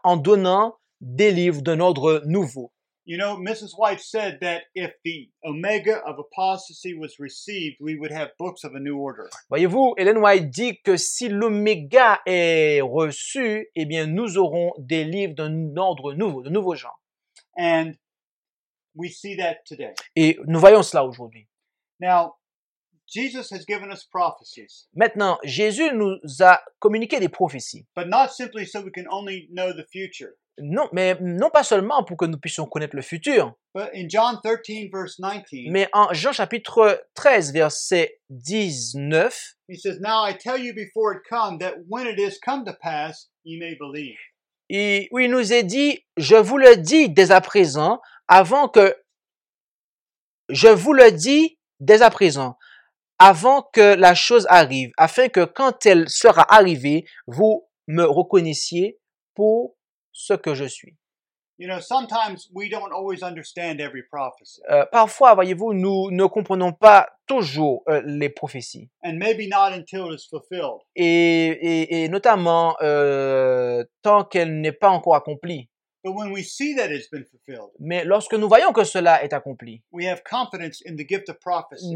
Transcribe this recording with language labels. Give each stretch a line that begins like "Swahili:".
French: En donnant des livres d'un ordre nouveau.
English: You know, Mrs. White said that if the omega of apostasy was received, we would have books of a new order.
French: Voyez-vous, Ellen White dit que si l'oméga est reçu, eh bien nous aurons des livres d'un ordre nouveau, de nouveau genre.
English: And we see that today.
French: Et nous voyons cela aujourd'hui.
English: Now, Jesus has given us prophecies.
French: Maintenant, Jésus nous a communiqué des prophéties.
English: But not simply so we can only know the future.
French: Non, mais non pas seulement pour que nous puissions connaître le futur.
English: But in John 13, verse 19,
French: mais en Jean chapitre 13, verset 19,
English: he says, "Now I tell you before it come, that when it is come to pass, ye may believe."
French: Et où il nous est dit, je vous le dis dès à présent, avant que je vous le dis dès à présent, avant que la chose arrive, afin que quand elle sera arrivée, vous me reconnaissiez pour ce que je suis.
English: You know, sometimes we don't always understand every prophecy.
French: Parfois, voyez-vous, nous ne comprenons pas toujours les prophéties.
English: And maybe not until it's fulfilled.
French: Et notamment tant qu'elle n'est pas encore accomplie.
English: But when we see that it's been fulfilled,
French: mais lorsque nous voyons que cela est accompli,
English: we have confidence in the gift of prophecy.